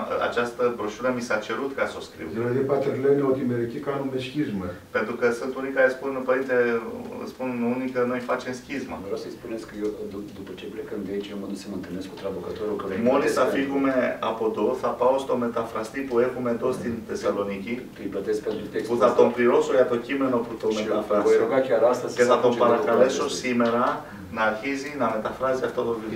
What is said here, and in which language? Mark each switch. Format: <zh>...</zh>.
<ro>Această broșură mi s-a cerut ca să o scriu.</ro> <el>Δηλαδή, Πάτερ, λένε ότι μερικοί κάνουμε σχίσμα.</el> <ro>Pentru că sunt unii care spun, Părinte, spun unii că noi facem schismă. Vreau să-i spuneți că eu, după ce plecăm de aici, eu mă duc să mă întâlnesc cu traducătorul.</ro> <el>Μόλις θα φύγουμε από εδώ, θα πάω στο μεταφραστή που έχουμε εδώ στην Θεσσαλονίκη. Του υπηρετήσω πέντε τέξει. Που θα τον πληρώσω για το κείμενο που το μεταφράζω. Και θα τον παρακαλέσω σήμερα να αρχίζει να μεταφράζει αυτό το βιβλίο.</el>